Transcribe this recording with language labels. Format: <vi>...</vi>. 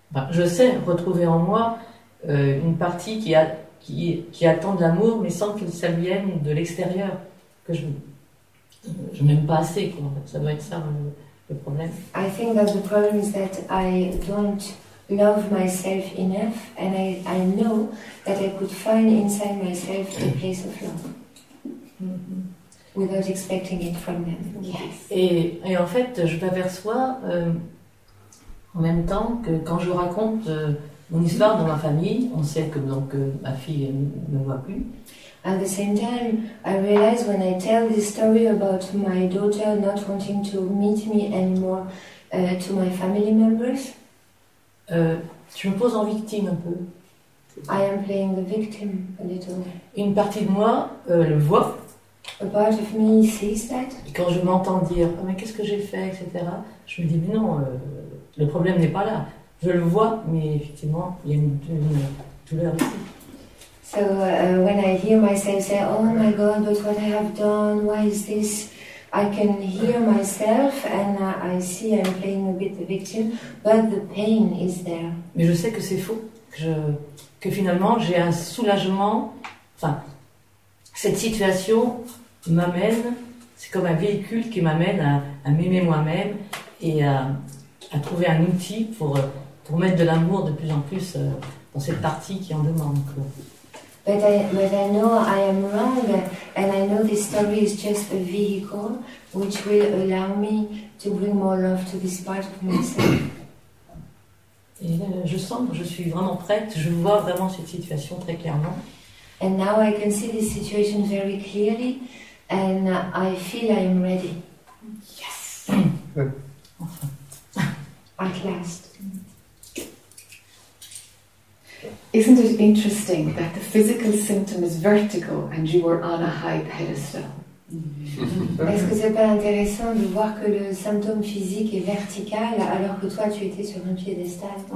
<fr>je sais retrouver en moi une partie qui attend de l'amour, mais sans que ça vienne de l'extérieur, que je m'aime pas assez, quoi. En fait, ça doit être ça le problème.</fr> <en>I think that the problem is that I don't love myself enough, and I know that I could find inside myself a place of love, without expecting it from them. Yes.</en> <fr>Et en fait, je m'aperçois en même temps que quand je raconte mon histoire dans ma famille, on sait que donc ma fille ne voit plus.</fr> <en>At the same time, I realize when I tell this story about my daughter not wanting to meet me anymore to my family members,</en> <fr>je me pose en victime un peu.</fr> <en>I am playing the victim a little.</en> <fr>Une partie de moi le voit.</fr> <en>A part of me sees that.</en> <fr>Et quand je m'entends dire oh, mais qu'est-ce que j'ai fait, etc., je me dis mais non, le problème n'est pas là. Je le vois, mais effectivement, il y a une douleur ici.</fr> <en>So when I hear myself say, "Oh my God, but what I have done? Why is this?" I can hear myself, and I see I'm playing a bit the victim, but the pain is there.</en> <fr>Mais je sais que c'est faux, que finalement j'ai un soulagement. Enfin, cette situation m'amène, c'est comme un véhicule qui m'amène à m'aimer moi-même et à trouver un outil pour mettre de l'amour de plus en plus dans cette partie qui en demande.</fr> <en>But I know I am wrong, and I know this story is just a vehicle which will allow me to bring more love to this part of myself.</en> <fr>Et je sens que je suis vraiment prête, je vois vraiment cette situation très clairement.</fr> <en>And now I can see this situation very clearly, and I feel I am ready. Yes.</en> <fr>Enfin.</fr> <en>At last. Isn't it interesting that the physical symptom is vertigo and you were on a high pedestal?</en> <fr>Est-ce que c'est pas intéressant de voir que le symptôme physique est vertical alors que toi tu étais sur un piédestal?</fr>